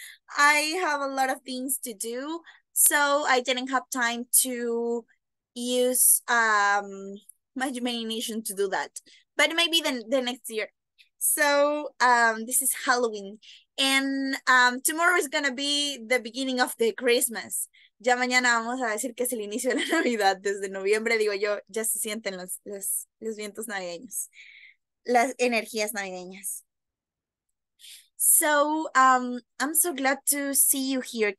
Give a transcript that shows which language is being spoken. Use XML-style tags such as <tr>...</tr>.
<en>I have a lot of things to do. So I didn't have time to use my imagination to do that. But maybe the next year. So this is Halloween. And tomorrow is going to be the beginning of the Christmas.</en> <es>Ya mañana vamos a decir que es el inicio de la Navidad. Desde noviembre, digo yo, ya se sienten los vientos navideños. Las energías navideñas.</es> <en>So, I'm so glad to see you here.</en>